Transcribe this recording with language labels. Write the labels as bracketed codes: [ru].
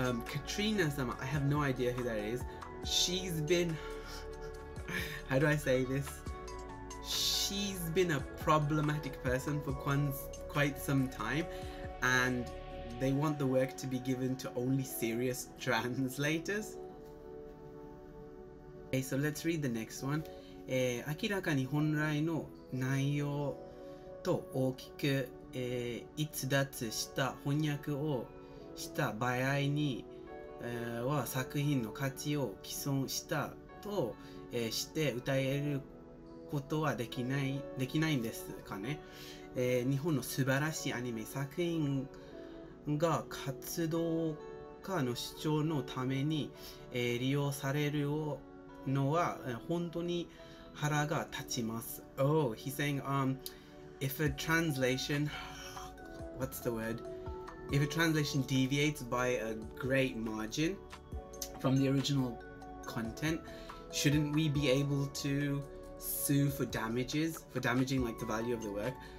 [en] Katrina-sama, I have no idea who that is. She's been... How do I say this? She's been a problematic person for quite some time, and they want the work to be given to only serious translators. Okay, so let's read the next one. [ja] 明らかに本来の内容と大きく逸脱した翻訳をした場合には作品の価値を毀損したとして歌えることはできないんですかね、日本の素晴らしいアニメ作品が活動家の主張のために、利用されるのは本当に腹が立ちます。 [en] Oh, he's saying, if a translation, what's the word? If a translation deviates by a great margin from the original content,Shouldn't we be able to sue for damages, for damaging like the value of the work?